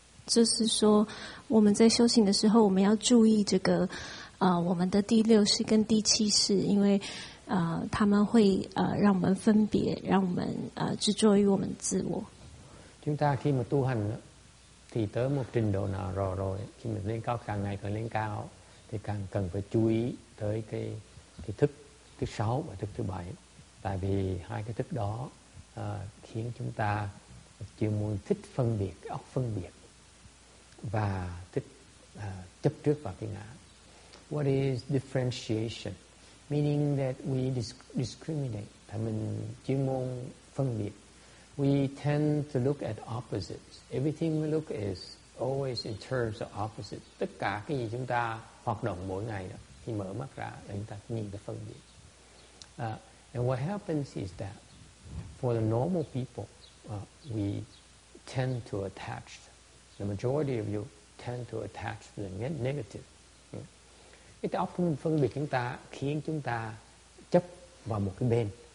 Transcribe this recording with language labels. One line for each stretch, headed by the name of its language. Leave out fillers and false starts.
Chinese: 就是说我们在修行的时候我们要注意这个我们的第六识跟第七识因为他们会让我们分别让我们执着于我们自我
Vietnamese: chúng ta khi mà tu hành thì tới một trình độ nào rồi khi mình lên cao càng ngày càng lên cao thì càng cần phải chú ý tới cái thức thứ sáu và thức thứ bảy tại vì hai cái thức đó khiến chúng ta chuyên môn thích phân biệt óc phân biệt và thích chấp trước vào cái ngã.
English: What is differentiation? Meaning that we discriminate.
Vietnamese: Thì mình chuyên môn phân biệt.
English: We tend to look at opposites. Everything we look is always in terms of opposites.
Vietnamese: Tất cả cái gì chúng ta hoạt động mỗi ngày đó, khi mở mắt ra để chúng ta nhìn cái phân biệt.
English: And what happens is that for the normal people, we tend to attach, the majority of you tend to attach to the negative.
Vietnamese: Cái tác phong phân biệt chúng ta khiến chúng ta chấp vào một cái bên.